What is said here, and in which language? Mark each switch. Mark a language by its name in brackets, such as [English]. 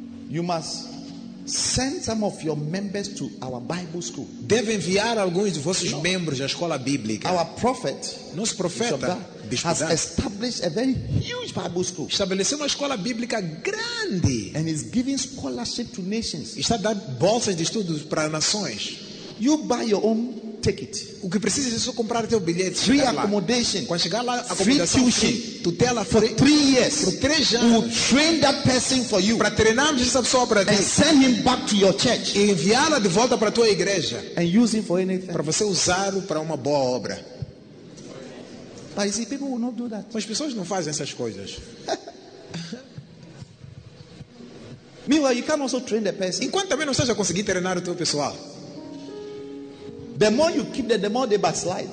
[English] you must send some of your members to our Bible school. [Portuguese] Deve enviar alguns de vossos membros à escola bíblica. [English] Our prophet, [Portuguese] nosso profeta, [English] has established a very huge Bible school. [Portuguese] Estabeleceu uma escola bíblica grande. [English] And is giving scholarship to nations. [Portuguese] Está dando bolsas de estudos para nações. [English] You buy your own ticket. [Portuguese] O que precisa é só comprar teu bilhete. [English] Free accommodation. [Portuguese] Quando chegar lá, [English] free tuition. [Portuguese] Tutela [English] for 3 years. [Portuguese] Por 3 anos. [English] We'll train that person for you. [Portuguese] Para treinar essa pessoa para ti. [English] And send him back to your church. [Portuguese] E enviá-la de volta para tua igreja. [English] And use him for anything. [Portuguese] Para você usar para uma boa obra. [English] But you see, people will not do that. [Portuguese] Mas as pessoas não fazem essas coisas. [English] Meanwhile, you can also train the person. [Portuguese] Enquanto também não seja conseguir treinar o teu pessoal. [English] The more you keep them, the more they backslide.